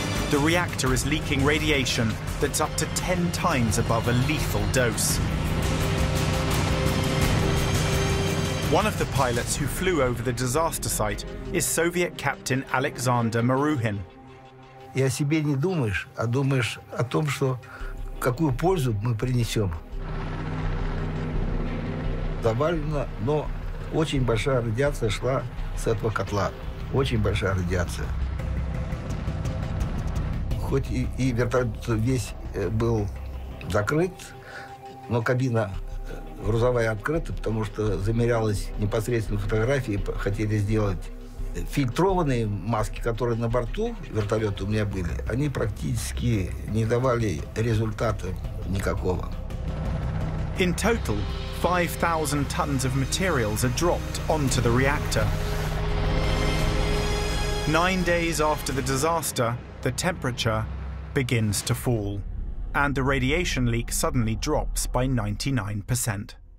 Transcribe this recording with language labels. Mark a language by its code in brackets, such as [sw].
[en] The reactor is leaking radiation that's up to 10 times above a lethal dose. One of the pilots who flew over the disaster site is Soviet Captain Alexander Maruhin. [ru] Я себе не думаешь, а думаешь о том, что какую пользу мы принесем. Добавлено, но очень большая радиация шла с этого котла. Очень большая радиация. Хоть и вертолет весь был закрыт, но кабина грузовая открыта, потому что замерялась непосредственно фотографии, хотели сделать фильтрованные маски, которые на борту вертолета у меня были, они практически не давали результата никакого. [en] In total, 5,000 tons of materials are dropped onto the reactor. 9 days after the disaster, the temperature begins to fall, and the radiation leak suddenly drops by 99%.